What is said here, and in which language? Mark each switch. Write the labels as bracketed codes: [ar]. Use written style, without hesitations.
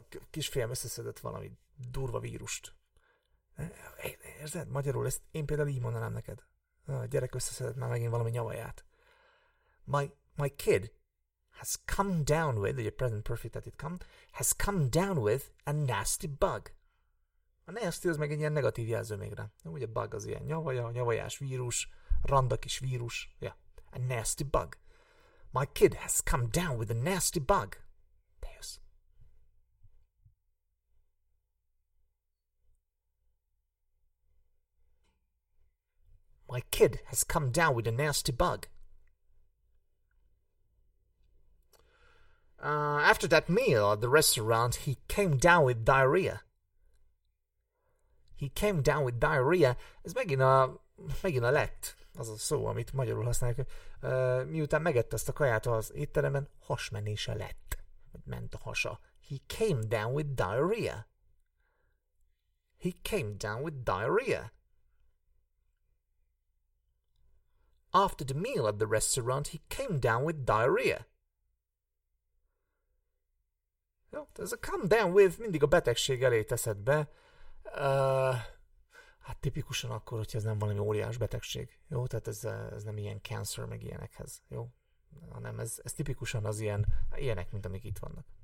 [hu] Kisfiam összeszedett valami durva vírust. Érzed? Magyarul ezt én például így mondanám neked. A gyerek összeszedett már megint valami nyavaját. [en] My kid has come down with, [hu] ugye [en] present perfect that it come, has come down with a nasty bug. [hu] A nasty az meg egy ilyen negatív jelző még rá. Ugye bug az ilyen nyavaja, nyavajás vírus, randa kis vírus. [en] Yeah. A nasty bug. My kid has come down with a nasty bug. Deus. My kid has come down with a nasty bug. After that meal at the restaurant, he came down with diarrhea. He came down with diarrhea. [hu] Ez megint a lett, az a szó, amit magyarul használják. Miután megette ezt a kaját az étteremben, hasmenése lett. Ment a hasa. [en] He came down with diarrhea. He came down with diarrhea. After the meal at the restaurant, he came down with diarrhea. [hu] Jó, ez a come down with mindig a betegség elé teszed be. Hát tipikusan akkor, hogyha ez nem valami óriás betegség. Jó, tehát ez nem ilyen cancer meg ilyenekhez. Jó, hanem ez tipikusan az ilyen, ilyenek, mint amik itt vannak.